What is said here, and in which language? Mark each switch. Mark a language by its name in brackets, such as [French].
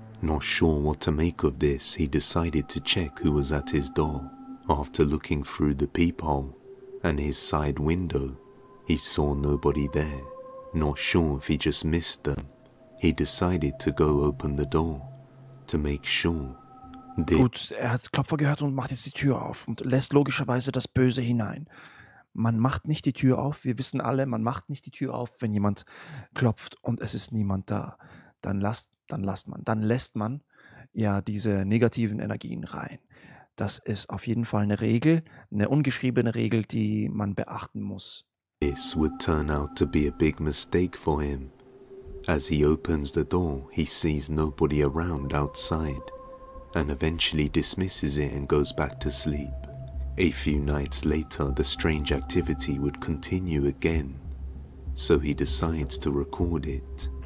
[English] Not sure what to make of this, he decided to check who was at his door. After looking through the peephole and his side window, he saw nobody there. Not sure if he just missed them. He decided to go open the door to make sure. [German] Gut, er hat Klopfer gehört und macht jetzt die Tür auf und lässt logischerweise das Böse hinein. Man macht nicht die Tür auf, wir wissen alle, man macht nicht die Tür auf, wenn jemand klopft und es ist niemand da. Dann lässt man ja diese negativen Energien rein. Das ist auf jeden Fall eine Regel, eine ungeschriebene Regel, die man beachten muss. [English] This would turn out to be a big mistake for him. As he opens the door, he sees nobody around outside and eventually dismisses it and goes back to sleep. A few nights later, the strange activity would continue again, so he decides to record it.